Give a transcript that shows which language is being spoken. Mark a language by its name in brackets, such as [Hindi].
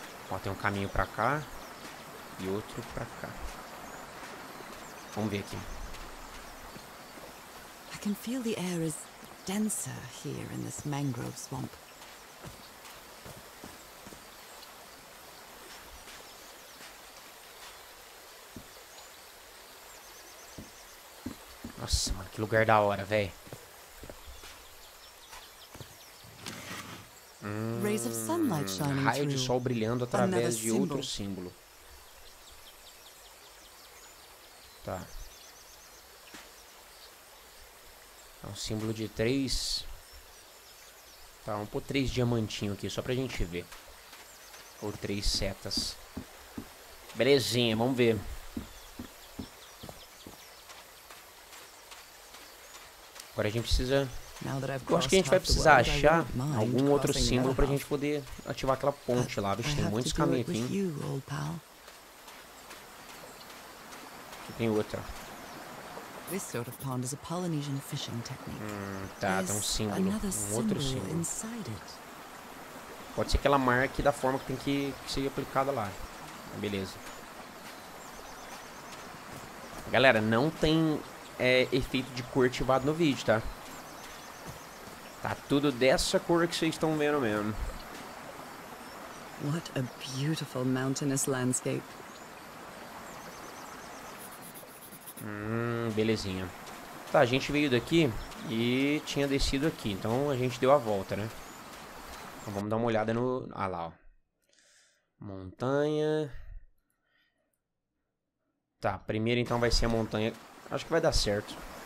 [Portuguese] Ó, tem um caminho pra cá e outro pra cá. Vamos ver aqui. [English] I can feel the air is denser here in this mangrove swamp. [Portuguese] Nossa, mano, que lugar da hora, véi. [English] Rays of sunlight shining through. [Portuguese] Raio de sol brilhando através de outro símbolo. Tá. Um símbolo de 3. Tá, vamos pôr 3 diamantinhos aqui, só pra gente ver. Ou 3 setas. Belezinha, vamos ver. Agora a gente precisa. Eu acho que a gente vai precisar achar algum outro símbolo pra gente poder ativar aquela ponte lá. Vixe, tem muitos caminhos aqui. Aqui tem outra. [English] This sort of pond is a Polynesian fishing technique. [Portuguese] Tá, tá um símbolo, um outro símbolo. [English] Inside it. [Portuguese] Pode ser que ela marque da forma que tem que ser aplicada lá. Beleza. Galera, não tem efeito de cor ativado no vídeo, tá? Tá tudo dessa cor que vocês estão vendo mesmo. [English] What a beautiful mountainous landscape. [Portuguese] Belezinha. Tá, a gente veio daqui e tinha descido aqui, então a gente deu a volta, né? Então vamos dar uma olhada no... Ah lá, ó. Montanha. Tá, primeiro então vai ser a montanha. Acho que vai dar certo.